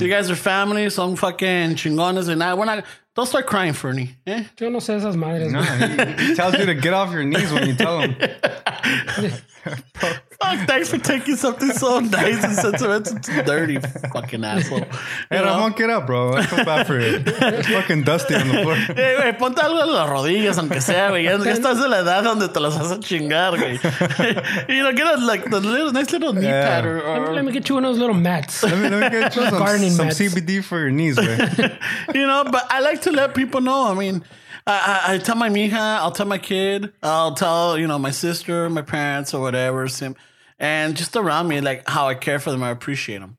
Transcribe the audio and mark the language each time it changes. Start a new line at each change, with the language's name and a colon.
English: You guys are family,
Spanish: son fucking chingones,
English: and I, we're not... Don't start crying, Fernie. Eh?
Spanish: Yo no sé esas madres. No,
English: he tells you to get off your knees when you tell him. Fuck, thanks for taking something so nice and sentimental to dirty fucking asshole. Hey, you know? I won't get up, bro. I feel bad for you. It's fucking dusty on the floor.
Spanish: Hey, wey, ponte algo en las rodillas, aunque sea, güey. Ya estás de la edad donde te las vas a chingar, güey.
English: You know, get a like, the little, nice little knee pad. Let me get you one of those little mats. Let me get you some CBD for your knees, güey. You know, but I like to let people know. I mean, I tell my mija, I'll tell my kid, I'll tell, you know, my sister, my parents or whatever, same, and just around me, like how I care for them, I appreciate them.